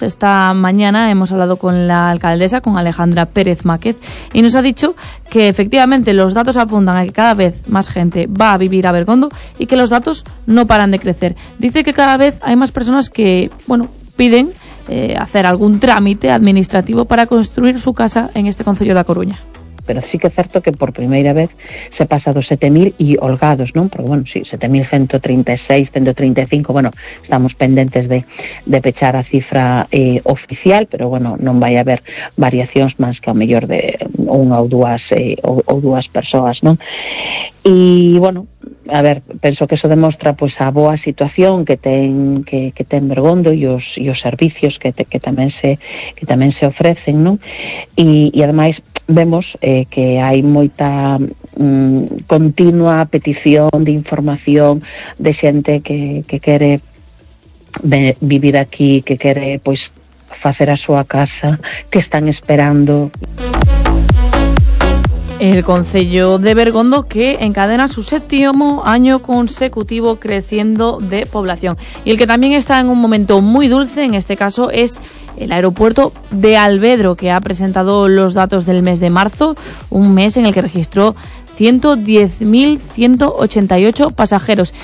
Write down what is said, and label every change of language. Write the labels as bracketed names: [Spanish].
[Spanish] Esta mañana hemos hablado con la alcaldesa, con Alejandra Pérez Máquez, y nos ha dicho que efectivamente los datos apuntan a que cada vez más gente va a vivir a Bergondo y que los datos no paran de crecer. Dice que cada vez hay más personas que, bueno, piden hacer algún trámite administrativo para construir su casa en este concello da Coruña. [Galician] Pero sí que é certo que por primeira vez se pasa dos 7.000 e holgados, non? Porque, bueno, sí, 7.136, 135, bueno, estamos pendentes de pechar a cifra oficial, pero, bueno, non vai haber variacións máis que ao mellor de unha ou dúas ou dúas persoas, non? E, bueno, a ver, penso que eso demostra pues a boa situación que ten Bergondo e os servicios que tamén se ofrecen, non? E ademais vemos que hai moita continua petición de información de xente que quere vivir aquí, que quere pues facer a súa casa, que están esperando. [Spanish] El concello de Bergondo, que encadena su séptimo año consecutivo creciendo de población. Y el que también está en un momento muy dulce, en este caso, es el aeropuerto de Alvedro, que ha presentado los datos del mes de marzo, un mes en el que registró 110.188 pasajeros.